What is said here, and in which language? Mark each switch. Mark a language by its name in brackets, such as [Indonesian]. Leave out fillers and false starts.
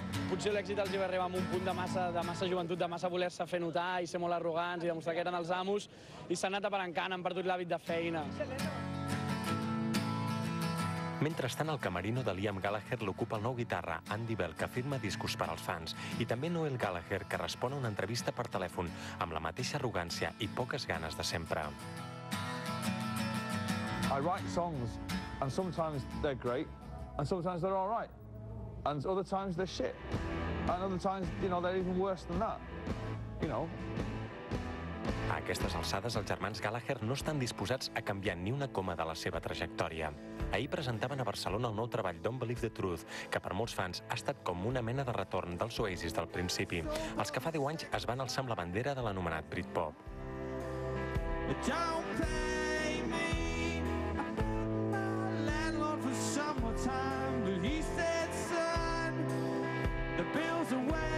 [Catalan] Potser l'èxit els va arribar amb un punt de massa joventut, de massa voler-se fer notar i ser molt arrogants i demostrar que eren els amos, i s'han anat aparencant, han perdut l'hàbit de feina. Mentrestant, el camerino de Liam Gallagher l'ocupa el nou guitarra, Andy Bell, que firma discos per als fans, i també Noel Gallagher, que respon a una entrevista per telèfon amb la mateixa arrogància i poques ganes de sempre. [English] I write songs, and sometimes they're great, and sometimes they're all right, and other times they're shit, and other times, you know, they're even worse than that, you know. [Catalan] A aquestes alçades, els germans Gallagher no estan disposats a canviar ni una coma de la seva trajectòria. Ahir presentaven a Barcelona el nou treball Don't Believe the Truth, que per molts fans ha estat com una mena de retorn dels Oasis del principi, els que fa 10 anys es van alçar amb la bandera de l'anomenat Britpop. [English] Don't pay me, my landlord for some more time, but he said, son, the bills are waiting.